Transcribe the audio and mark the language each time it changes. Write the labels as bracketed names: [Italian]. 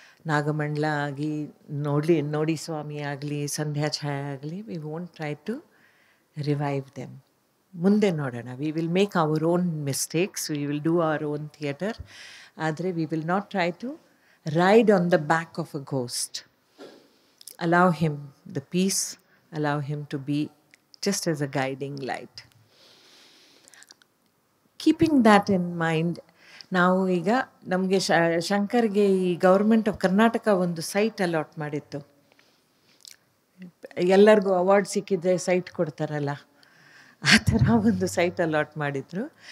[Kannada] ನಾಗಮಂಡಲ ಆಗಿ ನೋಡಲಿ, ನೋಡಿ ಸ್ವಾಮಿ ಆಗಲಿ, ಸಂಧ್ಯಾ ಛಾಯ ಆಗಲಿ, [English] We won't try to revive them. [Kannada] ಮುಂದೆ ನೋಡೋಣ, [English] we will make our own mistakes, we will do our own theatre, [Kannada] ಆದರೆ [English] We will not try to ride on the back of a ghost. Allow him the peace, allow him to be just as a guiding light. Keeping that in mind, [Kannada] ನಾವು ಈಗ ನಮಗೆ ಶಂಕರ್ಗೆ ಈ government of Karnataka ಒಂದು site allot ಮಾಡಿತ್ತು. ಎಲ್ಲರಿಗೂ award ಸಿಕ್ಕಿದ್ರೆ site ಕೊಡ್ತಾರಲ್ಲ, ಆ ಥರ ಒಂದು ಸೈಟ್ ಅಲಾಟ್ ಮಾಡಿದರು.